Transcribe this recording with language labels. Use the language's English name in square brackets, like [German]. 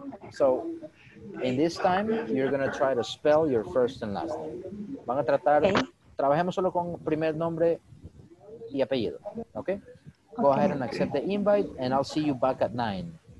[English] So, in this time, you're going to try to spell your first and last name. [Spanish] Van a tratar... Trabajemos solo con primer nombre y apellido, ¿ok? [English] Go okay. ahead and accept the invite, and I'll see you back at 9.